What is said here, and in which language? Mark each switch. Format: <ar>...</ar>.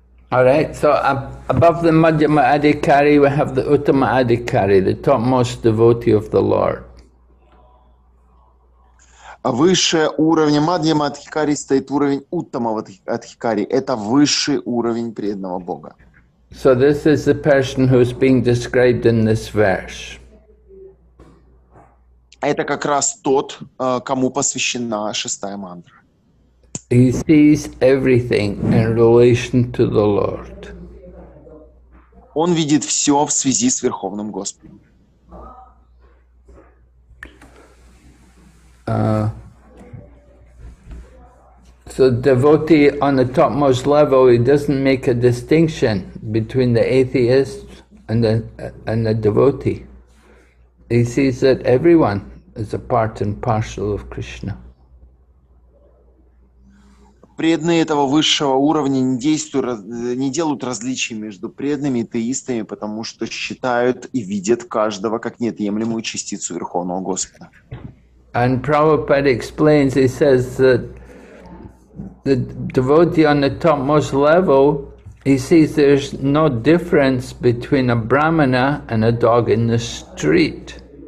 <en>All right, so above the Madhyama Adhikari, we have the Uttama Adhikari, the topmost devotee of the Lord.</en> <ru>Выше уровня Madhyama Adhikari стоит уровень Uttama Adhikari. Это высший уровень преданного Бога.</ru> <en>So this is the person who is being described in this verse.</en> <ru>Это как раз тот, кому посвящена шестая мантра.</ru> <en>He sees everything in relation to the Lord.</en> <ru>Он видит все в связи с Верховным Господом.</ru> <en>So devotee on the topmost level, he doesn't make a distinction between the atheist and the devotee. He sees that everyone is a part and parcel of Krishna.</en> <ru>Преданные этого высшего уровня не делают различий между преданными и теистами, потому что считают и видят каждого как неотъемлемую частицу Верховного Господа.</ru> <en>And Prabhupada explains, he says that the devotee on the topmost level, he sees there's no difference between a brahmana and a dog in the street.</en>